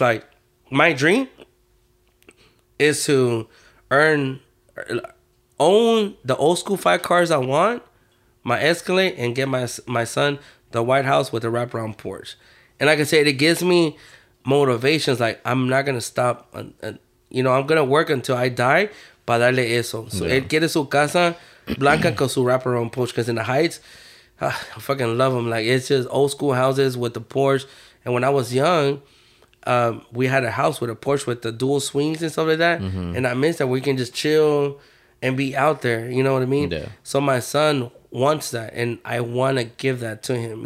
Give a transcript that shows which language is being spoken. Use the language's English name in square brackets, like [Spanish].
[English] Like, my dream is to own the old school five cars I want, my Escalade, and get my son the White House with a wraparound porch. And like I said, it gives me motivations. Like, I'm not going to stop. You know, I'm going to work until I die [Spanish] para darle eso. [English] So, yeah. [Spanish] Él quiere su casa blanca con su wraparound porch. [English] Because in the Heights, I fucking love them. Like, it's just old school houses with the porch. And when I was young, we had a house with a porch with the dual swings and stuff like that. Mm-hmm. And I miss that. We can just chill and be out there. You know what I mean? Yeah. So, my son wants that, and I want to give that to him.